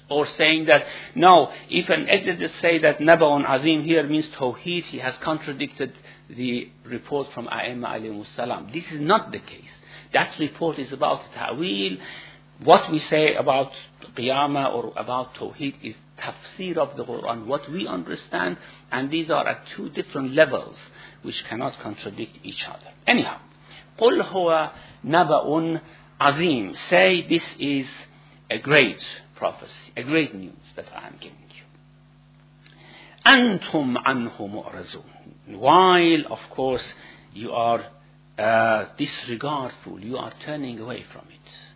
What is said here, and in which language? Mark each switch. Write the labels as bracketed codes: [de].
[en] Or saying that, no, if an exegete say that Naba'un Azim here means Tawheed, he has contradicted the report from A'imma alayhi salam. This is not the case. That report is about ta'wil. What we say about Qiyamah or about Tawheed is tafsir of the Qur'an, what we understand, and these are at two different levels which cannot contradict each other. Anyhow, [ar] قُلْ هُوَ نَبَأٌ عَظِيمٌ. [en] Say, this is a great prophecy, a great news that I am giving you. [ar] أَنْتُمْ عَنْهُ مُعْرَزُونَ. [en] While, of course, you are disregardful, you are turning away from it.